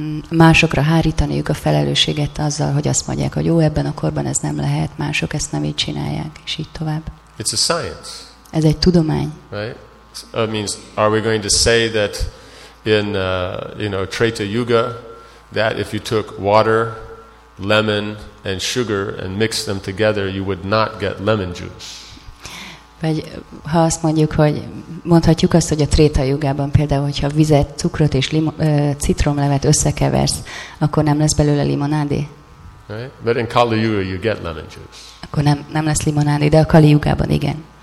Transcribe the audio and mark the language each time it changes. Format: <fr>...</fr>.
<hu>Másokra hárítaniuk a felelősséget azzal, hogy azt mondják, hogy jó, ebben a korban ez nem lehet, mások ezt nem így csinálják, és így tovább.</hu> <en>It's a science.</en> <hu>Ez egy tudomány.</hu> <en>Right? It means, are we going to say that in, you know, Treta Yuga, that if you took water, lemon, and sugar, and mixed them together, you would not get lemon juice?</en> <hu>Vagy ha azt mondjuk, hogy mondhatjuk azt, hogy a Tréta Jugában például, hogyha vizet, cukrot és citromlevet összekeversz, akkor nem lesz belőle limonádé?</hu> <en>Right? But in Kali Yuga you get lemon juice.</en> <hu>Akkor nem lesz limonádé, de a Kali Jugában igen.</hu>